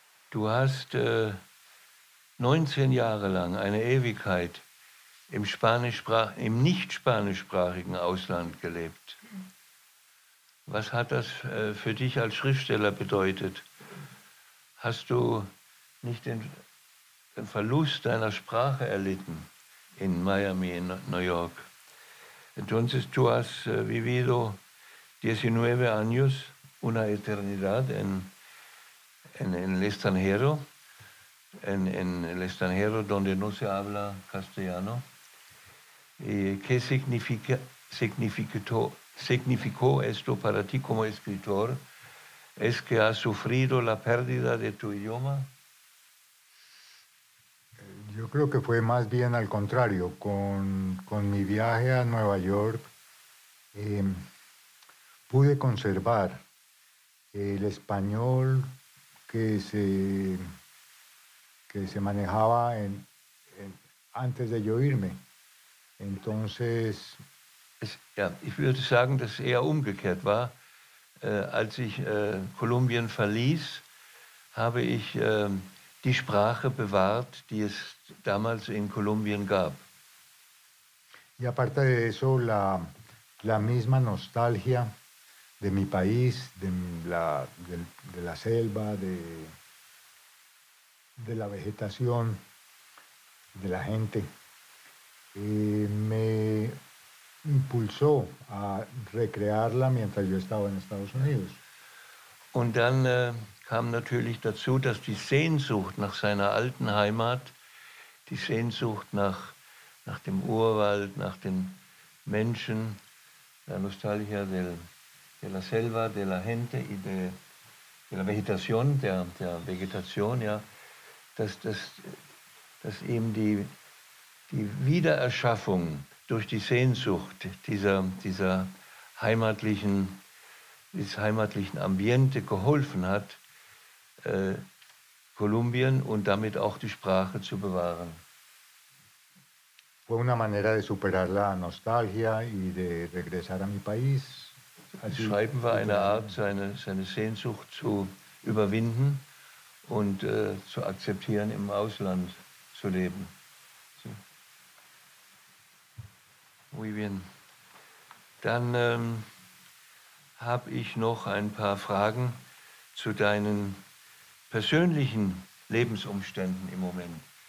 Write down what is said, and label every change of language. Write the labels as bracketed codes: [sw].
[de] Du hast 19 Jahre lang, eine Ewigkeit, im nicht-spanischsprachigen Ausland gelebt. Was hat das für dich als Schriftsteller bedeutet? Hast du nicht den Verlust deiner Sprache erlitten in Miami, in New York? [es] Entonces tú has vivido 19 años, una eternidad en el extranjero donde no se habla castellano. ¿Qué significó esto para ti como escritor? ¿Es que has sufrido la pérdida de tu idioma? Yo creo que fue más bien al contrario. Con mi viaje a Nueva York, pude conservar el español que se manejaba antes de yo irme. Entonces, [de] ja, ich würde sagen, dass es eher umgekehrt war. Als ich Kolumbien verließ, habe ich die Sprache bewahrt, die es damals in Kolumbien gab. [es] Y aparte de eso, la misma nostalgia de mi país, de la selva, de la vegetación, de la gente, me impulsó a recrearla mientras yo estaba en Estados Unidos. [de] Und dann kam natürlich dazu, dass die Sehnsucht nach seiner alten Heimat, die Sehnsucht nach dem Urwald, nach den Menschen, [es] la nostalgia de la selva, de la gente y de [de] der Vegetation, der Vegetation, ja, dass eben die Wiedererschaffung durch die Sehnsucht dieses heimatlichen Ambiente geholfen hat, Kolumbien und damit auch die Sprache zu bewahren. [es] Fue una manera de superar la nostalgia y de regresar a mi país. [de] Also schreiben war eine Art, seine Sehnsucht zu überwinden und zu akzeptieren, im Ausland zu leben. So. [es] Muy bien. [de] Dann habe ich noch ein paar Fragen zu deinen persönlichen Lebensumständen im Moment.